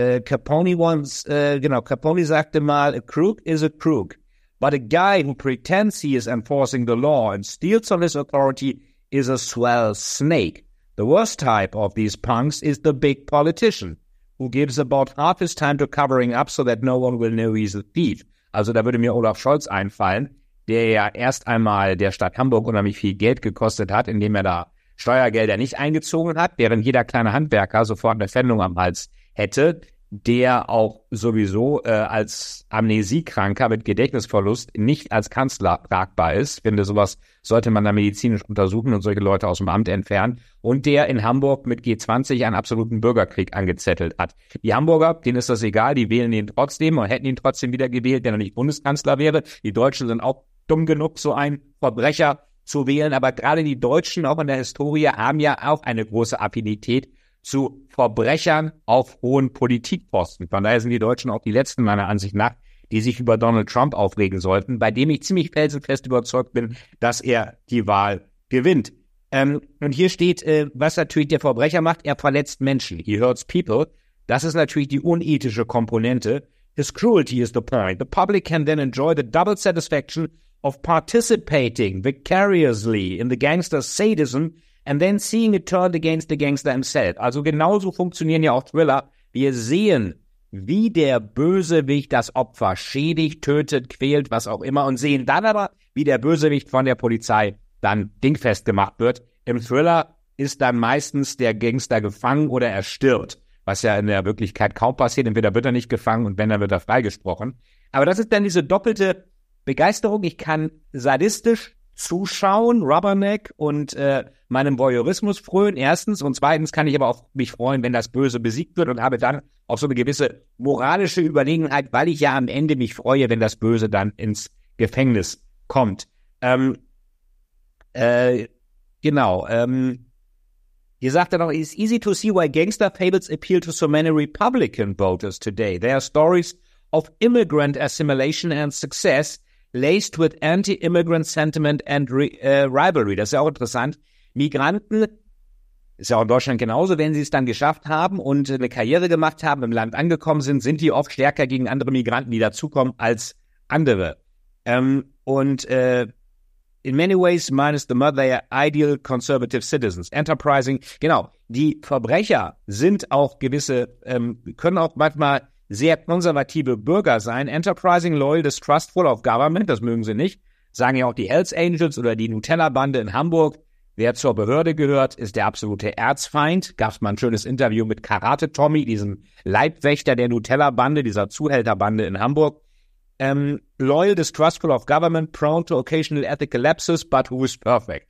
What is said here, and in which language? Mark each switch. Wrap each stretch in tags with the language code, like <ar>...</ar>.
<en>Capone</en> <de>sagte mal,</de> <en>a crook is a crook, but a guy who pretends he is enforcing the law and steals on his authority is a swell snake. The worst type of these punks is the big politician, who gives about half his time to covering up so that no one will know he's a thief.</en> <de>Also da würde mir Olaf Scholz einfallen, der ja erst einmal der Stadt Hamburg unheimlich viel Geld gekostet hat, indem er da Steuergelder nicht eingezogen hat, während jeder kleine Handwerker sofort eine Fendung am Hals hätte, der auch sowieso als Amnesiekranker mit Gedächtnisverlust nicht als Kanzler tragbar ist. Ich finde, sowas sollte man da medizinisch untersuchen und solche Leute aus dem Amt entfernen. Und der in Hamburg mit G20 einen absoluten Bürgerkrieg angezettelt hat. Die Hamburger, denen ist das egal, die wählen ihn trotzdem und hätten ihn trotzdem wieder gewählt, wenn er nicht Bundeskanzler wäre. Die Deutschen sind auch dumm genug, so einen Verbrecher zu wählen. Aber gerade die Deutschen, auch in der Historie, haben ja auch eine große Affinität zu Verbrechern auf hohen Politikposten. Von daher sind die Deutschen auch die Letzten meiner Ansicht nach, die sich über Donald Trump aufregen sollten, bei dem ich ziemlich felsenfest überzeugt bin, dass er die Wahl gewinnt. Und hier steht, was natürlich der Verbrecher macht, er verletzt Menschen.</de> <en>He hurts people.</en> <de>Das ist natürlich die unethische Komponente.</de> <en>His cruelty is the point. The public can then enjoy the double satisfaction of participating vicariously in the gangster's sadism and then seeing it turned against the gangster himself.</en> <de>Also genauso funktionieren ja auch Thriller. Wir sehen, wie der Bösewicht das Opfer schädigt, tötet, quält, was auch immer, und sehen dann aber, wie der Bösewicht von der Polizei dann dingfest gemacht wird. Im Thriller ist dann meistens der Gangster gefangen oder er stirbt, was ja in der Wirklichkeit kaum passiert. Entweder wird er nicht gefangen und wenn, dann wird er freigesprochen. Aber das ist dann diese doppelte Begeisterung. Ich kann sadistisch zuschauen, Rubberneck, und meinem Voyeurismus frönen, erstens. Und zweitens kann ich aber auch mich freuen, wenn das Böse besiegt wird, und habe dann auch so eine gewisse moralische Überlegenheit, weil ich ja am Ende mich freue, wenn das Böse dann ins Gefängnis kommt. Hier sagt er noch,</de> <en>it's easy to see why gangster fables appeal to so many Republican voters today. There are stories of immigrant assimilation and success laced with anti-immigrant sentiment and rivalry.</en> <de>Das ist ja auch interessant. Migranten, ist ja auch in Deutschland genauso, wenn sie es dann geschafft haben und eine Karriere gemacht haben, im Land angekommen sind, sind die oft stärker gegen andere Migranten, die dazukommen, als andere.</de> <en>In many ways, minus the mother, they are ideal conservative citizens. Enterprising,</en> <de>genau. Die Verbrecher sind auch gewisse, können auch manchmal sehr konservative Bürger sein.</de> <en>Enterprising, loyal, distrustful of government,</en> <de>das mögen sie nicht. Sagen ja auch die Hells Angels oder die Nutella-Bande in Hamburg. Wer zur Behörde gehört, ist der absolute Erzfeind. Gab's mal ein schönes Interview mit Karate Tommy, diesem Leibwächter der Nutella-Bande, dieser Zuhälterbande in Hamburg.</de> <en>Loyal, distrustful of government, prone to occasional ethical lapses, but who is perfect?</en>